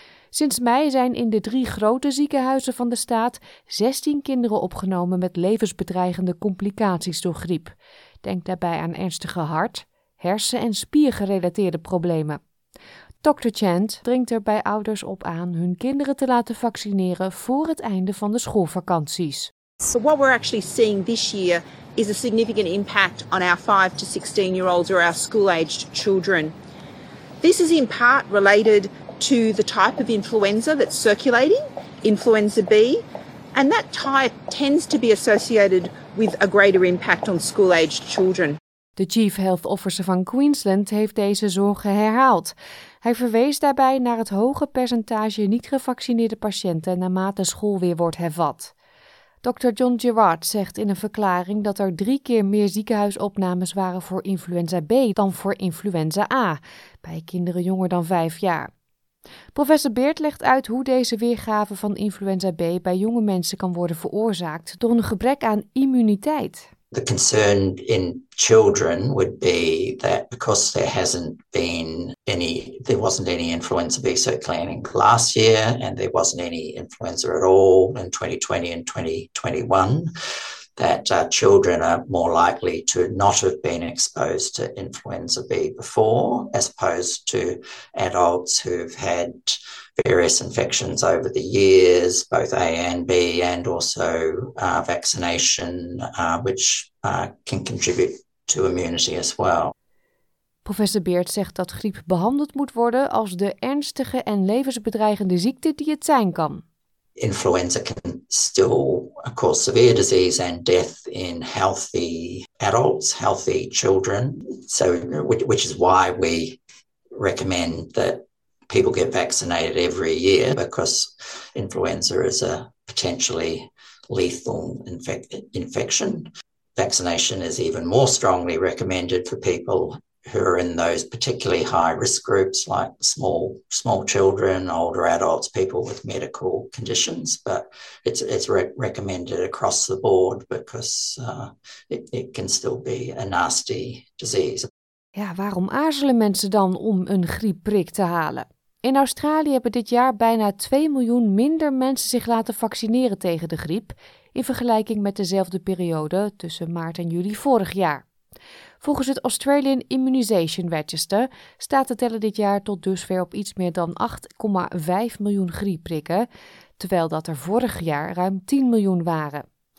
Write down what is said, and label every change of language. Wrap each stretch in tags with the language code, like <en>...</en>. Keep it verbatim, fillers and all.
<nl>Sinds mei zijn in de drie grote ziekenhuizen van de staat zestien kinderen opgenomen met levensbedreigende complicaties door griep. Denk daarbij aan ernstige hart-, hersen- en spiergerelateerde problemen. Doctor Chant dringt er bij ouders op aan hun kinderen te laten vaccineren voor het einde van de schoolvakanties.</nl> <en>So what we're actually seeing this year is a significant impact on our five to sixteen year olds or our school aged children. This is in part related to the type of influenza that's circulating, influenza B, and that type tends to be associated with a greater impact on school-aged children.</en> <nl>De Chief Health Officer van Queensland heeft deze zorgen herhaald. Hij verwees daarbij naar het hoge percentage niet gevaccineerde patiënten naarmate school weer wordt hervat. dokter John Gerard zegt in een verklaring dat er drie keer meer ziekenhuisopnames waren voor influenza B dan voor influenza A, bij kinderen jonger dan vijf jaar. Professor Beert legt uit hoe deze weergave van influenza B bij jonge mensen kan worden veroorzaakt door een gebrek aan immuniteit.</nl> <en>The concern in children would be that because there hasn't been any, there wasn't any influenza B circulating last year and there wasn't any influenza at all in twenty twenty and twenty twenty-one, that uh, children are more likely to not have been exposed to influenza B before, as opposed to adults who've had various infections over the years, both A and B, and also uh, vaccination, uh, which uh, can contribute to immunity as well.</en> <nl>Professor Beert zegt dat griep behandeld moet worden als de ernstige en levensbedreigende ziekte die het zijn kan.</nl> <en>Influenza can still cause severe disease and death in healthy adults, healthy children. So, which is why we recommend that people get vaccinated every year, because influenza is a potentially lethal infect- infection. Vaccination is even more strongly recommended for people who are in those particularly high risk groups, like small small children, older adults, people with medical conditions. But it's it's re- recommended across the board because uh, it, it can still be a nasty disease.</en> <nl>Ja, waarom aarzelen mensen dan om een griepprik te halen? In Australië hebben dit jaar bijna twee miljoen minder mensen zich laten vaccineren tegen de griep in vergelijking met dezelfde periode tussen maart en juli vorig jaar. Volgens het Australian Immunisation Register staat de teller dit jaar tot dusver op iets meer dan acht komma vijf miljoen griepprikken, terwijl dat er vorig jaar ruim tien miljoen waren.</nl>